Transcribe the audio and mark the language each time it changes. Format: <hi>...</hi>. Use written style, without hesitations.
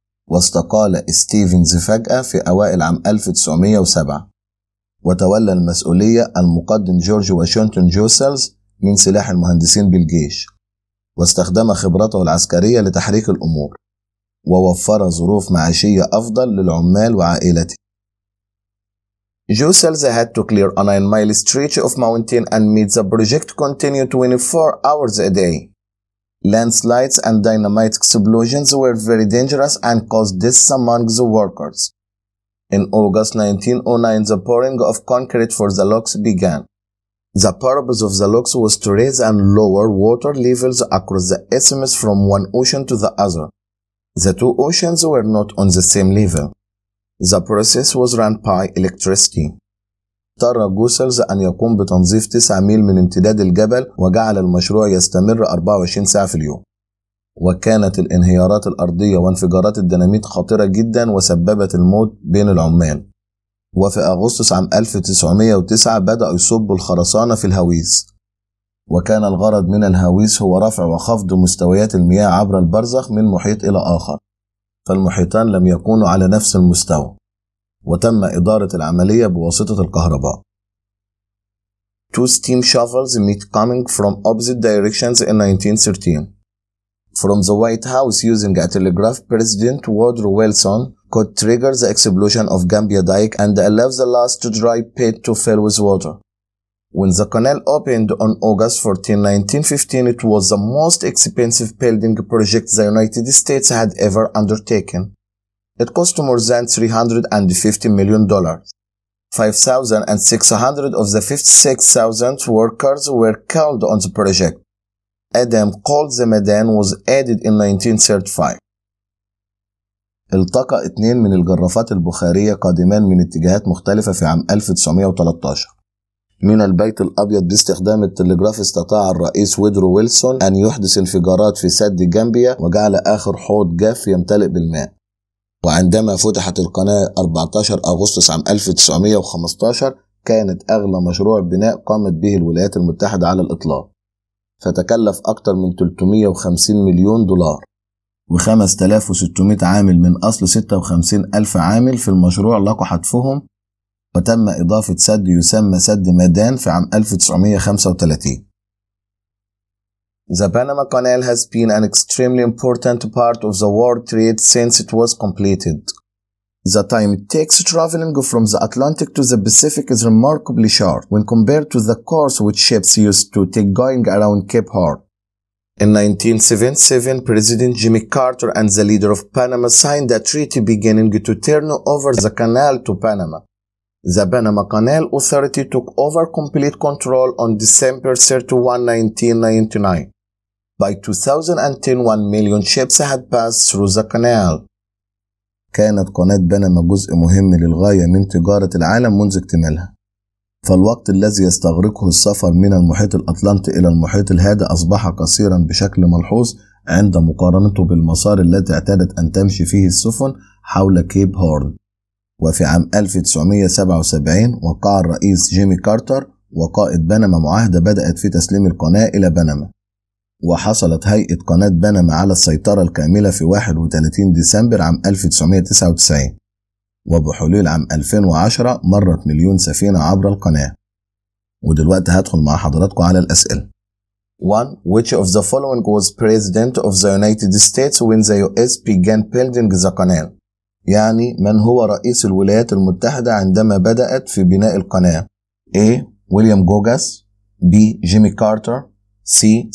<ar>واستقال ستيفنز فجأة في أوائل عام 1907، وتولى المسؤولية المقدم جورج واشنطن جوسلز من سلاح المهندسين بالجيش، واستخدم خبرته العسكرية لتحريك الأمور، ووفر ظروف معيشية أفضل للعمال وعائلته.</ar> <en>Jussels had to clear a 9-mile stretch of mountain amid the project continued 24 hours a day. Landslides and dynamite explosions were very dangerous and caused deaths among the workers. In August 1909, the pouring of concrete for the locks began. The purpose of the locks was to raise and lower water levels across the isthmus from one ocean to the other. The two oceans were not on the same level. The process was run by electricity.</en> <ar>اضطر جوسلز أن يقوم بتنظيف 9 ميل من امتداد الجبل، وجعل المشروع يستمر 24 ساعة في اليوم. وكانت الانهيارات الأرضية وانفجارات الديناميت خطيرة جدا وسببت الموت بين العمال. وفي أغسطس عام 1909 بدأ يصب الخرسانة في الهويس، وكان الغرض من الهويس هو رفع وخفض مستويات المياه عبر البرزخ من محيط إلى آخر، فالمحيطان لم يكونوا على نفس المستوى، وتم إدارة العملية بواسطة الكهرباء.</ar> <en>Two steam shovels meet coming from opposite directions in 1913. From the White House using a telegraph, President Woodrow Wilson could trigger the explosion of Gambia Dyke and allow the last dry pit to fill with water. When the canal opened on August 14, 1915, it was the most expensive building project the United States had ever undertaken. It cost more than $350 million. 5,600 of the 56,000 workers were killed on the project. A dam called the Medan was added in 1935.</en> <ar>التقى اثنين من الجرافات البخارية قادمان من اتجاهات مختلفة في عام 1913. من البيت الأبيض باستخدام التلغراف استطاع الرئيس ويدرو ويلسون أن يحدث انفجارات في سد جامبيا، وجعل آخر حوض جاف يمتلئ بالماء. وعندما فتحت القناة 14 أغسطس عام 1915، كانت أغلى مشروع بناء قامت به الولايات المتحدة على الإطلاق، فتكلف أكثر من 350 مليون دولار، و 5600 عامل من أصل 56 ألف عامل في المشروع لقوا حتفهم، وتم إضافة سد يسمى سد مدان في عام 1935.</ar> <en>The Panama Canal has been an extremely important part of the world trade since it was completed. The time it takes traveling from the Atlantic to the Pacific is remarkably short when compared to the course which ships used to take going around Cape Horn. In 1977, President Jimmy Carter and the leader of Panama signed a treaty beginning to turn over the canal to Panama. The Panama Canal Authority took over complete control on December 31, 1999. By 2010, 1 million ships had passed through the canal.</en> <ar>كانت قناة بنما جزء مهم للغاية من تجارة العالم منذ اكتمالها، فالوقت الذي يستغرقه السفر من المحيط الأطلنطي إلى المحيط الهادئ أصبح قصيرا بشكل ملحوظ عند مقارنته بالمسار الذي اعتادت أن تمشي فيه السفن حول كيب هورن. وفي عام 1977 وقع الرئيس جيمي كارتر وقائد بنما معاهدة بدأت في تسليم القناة إلى بنما، وحصلت هيئة قناة بنما على السيطرة الكاملة في 31 ديسمبر عام 1999. وبحلول عام 2010 مرت مليون سفينة عبر القناة. ودلوقتي هدخل مع حضراتكم على الأسئلة.</ar> <en>1. Which of the following was president of the United States when the US began building the canal؟</en> <ar>يعني من هو رئيس الولايات المتحدة عندما بدأت في بناء القناة؟</ar> <en>A. William Gogas. B. Jimmy Carter. C.</en>